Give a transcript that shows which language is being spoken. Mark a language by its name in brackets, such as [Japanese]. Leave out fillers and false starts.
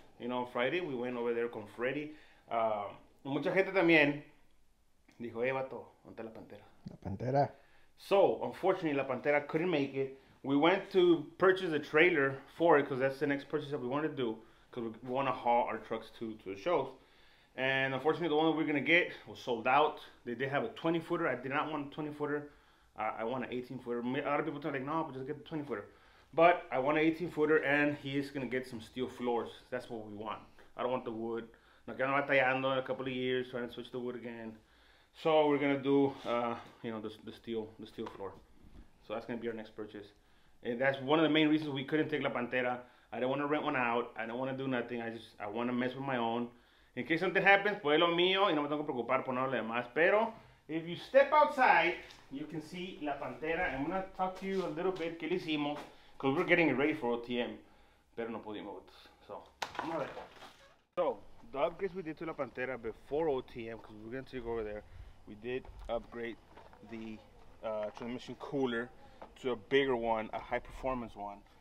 [English] You know, on Friday, we went over there con Freddy. [Spanish] Mucha gente también dijo, hey, Beto, ¿dónde está la Pantera? La Pantera. [English] So, unfortunately, la Pantera couldn't make it. We went to purchase a trailer for it because that's the next purchase that we wanted to do. Because we want to haul our trucks to the shows. And unfortunately, the one that we're going to get was sold out. They did have a 20-footer. I did not want a 20-footer. I want an 18-footer. A lot of people are like, no, but just get the 20-footer. But I want an 18-footer, and he is going to get some steel floors. That's what we want. I don't want the wood. No quiero batallando in a couple of years, trying to switch the wood again. So we're going to do, the steel floor. So that's going to be our next purchase. And that's one of the main reasons we couldn't take La Pantera. I don't want to rent one out. I don't want to do nothing. I want to mess with my own. [Spanish] In case something happens, pues lo mío y no me tengo que preocupar por nada más. [English] Pero if you step outside, you can see La Pantera. I'm going to talk to you a little bit que le hicimos because we're getting it ready for OTM. Pero no pudimos. So, vamos a ver. So, the upgrades we did to La Pantera before OTM, because we're going to go over there, we did upgrade the transmission cooler to a bigger one, a high performance one.